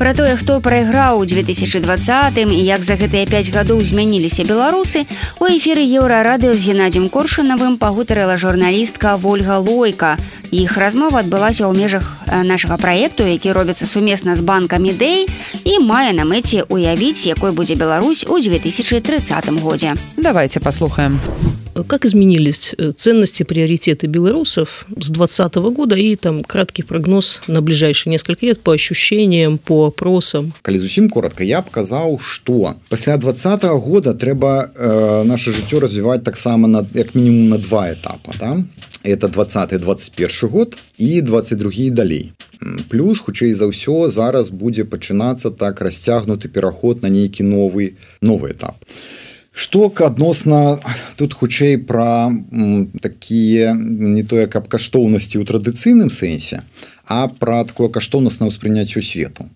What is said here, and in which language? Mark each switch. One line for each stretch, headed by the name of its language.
Belarusian: Пра тое, хто прайграў у 2020-м і як за гэтыя 5 гадоў змяніліся беларусы, у эфіры Еўрарадыё з Геннадзем Коршунавым пагутарыла журналістка Вольга Лойка. Іх размова адбылася ў межах нашага праекту, які робіцца сумесна з банкамі Дэй і мае на мэце уявіць, якой будзе Беларусь у 2030 годзе. Давайте паслухаем.
Russian: Как изменились ценности, приоритеты белорусов с 2020 года и там краткий прогноз на ближайшие несколько лет по ощущениям, по опросам? Коли совсем коротко, я бы сказал, что после 2020 года
Belarusian: треба наше життё
Russian: развивать так само, как минимум, на два этапа. Да? Это 2020-2021 год и 2022 и далей.
Belarusian: Плюс, хутчэй за ўсё, зараз будзе пачынацца так расцягнуты пераход на нейкі новы этап. Што адносна тут хутчэй пра такія не тое каб каштоўнасці ў традыцыйным сэнсе, а пра такое каштоўнаснае ўспрыняцце свету.